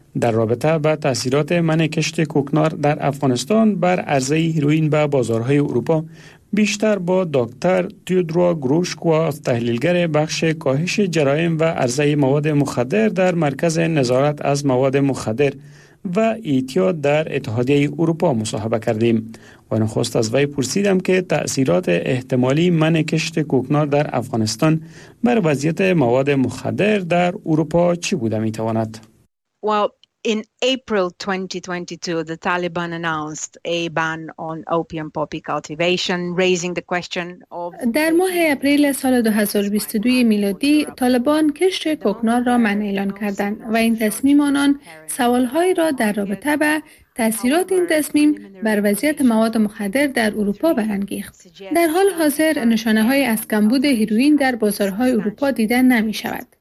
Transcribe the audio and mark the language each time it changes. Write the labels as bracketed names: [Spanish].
[Persian] در رابطه با تأثیرات منع کشت کوکنار در افغانستان بر عرضه هیروئین به بازارهای اروپا، بیشتر با دکتر تیودرو گروشکوا، تحلیلگر بخش کاهش جرایم و عرضه مواد مخدر در مرکز نظارت از مواد مخدر و اعتیاد در اتحادیه اروپا مصاحبه کردیم و نخست از وی پرسیدم که تأثیرات احتمالی منع کشت کوکنار در افغانستان بر وضعیت مواد مخدر در اروپا چی بوده میتواند؟ [English] Well, In April 2022, the Taliban announced a ban on opium poppy cultivation, raising the question of. [Persian] در ماه اپریل سال 2022 میلادی، طالبان کشت کوکنار را منع اعلان کردند و این تصمیم آنان سوالهای را در رابطه با تأثیرات این تصمیم بر وضعیت مواد مخدر در اروپا برانگیخت. در حال حاضر نشانه های از کمبود هیروئین در بازارهای اروپا دیدن نمی شود.